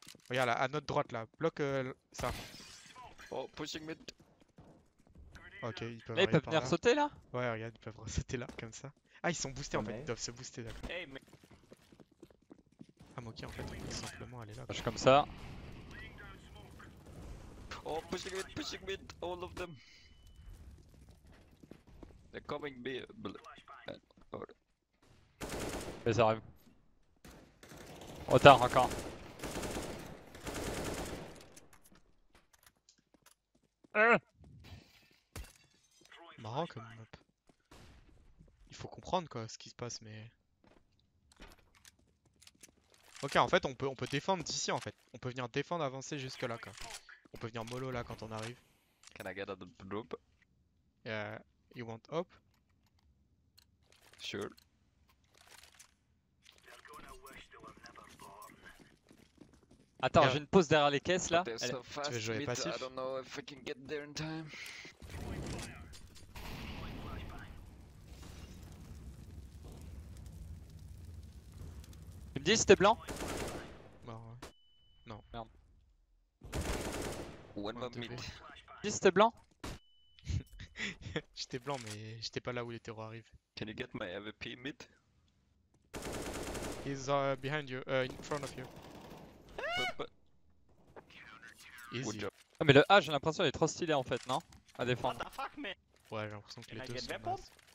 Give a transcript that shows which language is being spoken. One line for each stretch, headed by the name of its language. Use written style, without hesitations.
French: Regarde, là, à notre droite, là. Bloque ça.
English: Oh, pushing mid.
French: Ok, ils peuvent là, ils peuvent venir là. Sauter là. Ouais, regarde, ils peuvent sauter là, comme ça. Ah, ils sont boostés en fait, ils doivent se booster d'accord. Hey, mais... Ah, ok, en fait, on peut simplement aller là. Je suis comme ça.
English: Oh, pushing mid, all of them. They're coming B.
French: Mais ça arrive. Retard encore. Marrant comme map. Il faut comprendre quoi ce qui se passe mais. Ok en fait on peut défendre d'ici en fait. On peut venir défendre avancer jusque là quoi. On peut venir mollo là quand on arrive.
English: Can I get a loop? Yeah, you want up? Sure.
French: Attends, j'ai une pause derrière les caisses là. Elle...
English: So fast,
French: tu veux jouer passif?
English: I don't know if I can get there in time.
French: Tu me dis c'était blanc? Bah ouais. Non. Merde.
English: One bomb mid.
French: Tu me dis c'était blanc? J'étais blanc mais j'étais pas là où les terreurs arrivent.
English: Can you get my AVP mid? He's behind you, in front of you. Easy.
French: Ah mais le A j'ai l'impression qu'il est trop stylé en fait, non? À défendre.
English: What the fuck, man?
French: Ouais j'ai l'impression que les deux sont nice.